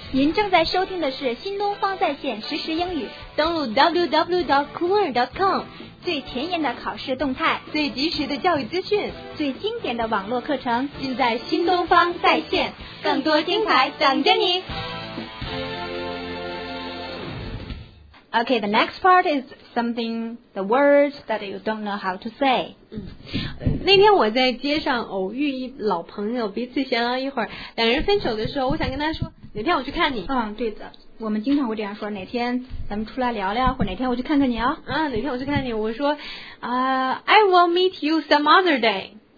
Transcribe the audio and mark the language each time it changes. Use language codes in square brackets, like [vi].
[zh] 您正在收听的是新东方在线实时英语。登录 www.cooler.com。最前沿的考试动态，最及时的教育资讯，最经典的网络课程，尽在新东方在线，更多精彩等着你。 [en] Okay, the next part is something, the words that you don't know how to say. [zh] 那天我在街上偶遇一老朋友，彼此闲聊一会儿，两人分手的时候，我想跟他说，哪天我去看你。对的，我们经常会这样说，哪天咱们出来聊聊，或哪天我去看看你哦。哪天我去看你，我说 I will meet you some other day。